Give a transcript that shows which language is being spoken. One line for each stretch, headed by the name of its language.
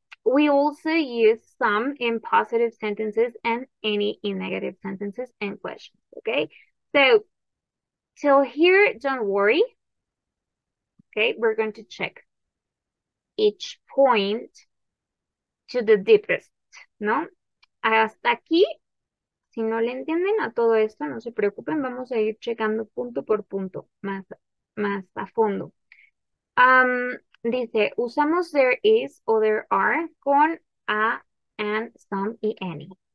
English: We also use some in positive sentences and any in negative sentences and questions. Okay, so till here, don't worry. Okay, we're going to check each point to the deepest.
Spanish: ¿No? Hasta aquí, si no le entienden a todo esto, no se preocupen, vamos a ir checando punto por punto, más a fondo. Dice, usamos there is o there are con a, an, some y any.